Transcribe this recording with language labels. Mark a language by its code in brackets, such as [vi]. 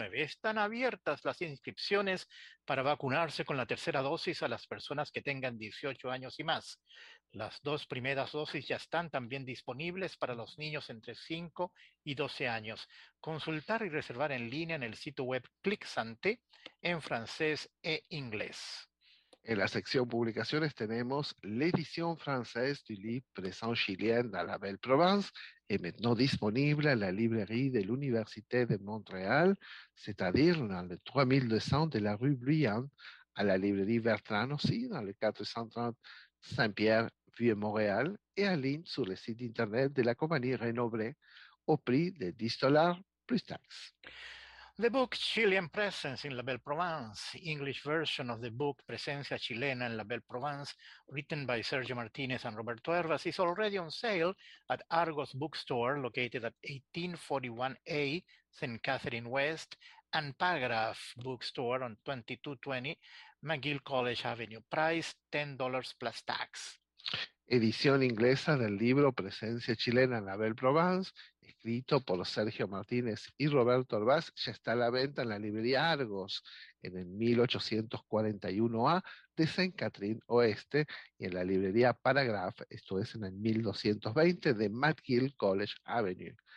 [es] Están abiertas las inscripciones para vacunarse con la tercera dosis a las personas que tengan 18 años y más. Las dos primeras dosis ya están también disponibles para los niños entre 5 y 12 años. Consultar y reservar en línea en el sitio web Clic Santé en francés e inglés. En la sección publicaciones tenemos [fr] L'édition française du livre Présent Chilien à la Belle Provence est maintenant disponible à la librairie de l'Université de Montréal, c'est-à-dire dans le 3200 de la rue Bruyante, à la librairie Bertrand aussi, dans le 430 Saint-Pierre, Vieux-Montréal, et à ligne sur le site internet de la compagnie Renoblet, au prix de 10 $ plus taxes. [en] The book Chilean Presence in La Belle Provence, English version of the book Presencia Chilena en La Belle Provence, written by Sergio Martinez and Roberto Hervas, is already on sale at Argos Bookstore, located at 1841A St. Catherine West, and Paragraph Bookstore on 2220 McGill College Avenue. Price $10 plus tax. [es] Edición inglesa del libro Presencia Chilena en La Belle Provence, escrito por Sergio Martínez y Roberto Orbaz, ya está a la venta en la librería Argos, en el 1841A de Saint Catherine Oeste, y en la librería Paragraph, esto es en el 1220 de McGill College Avenue.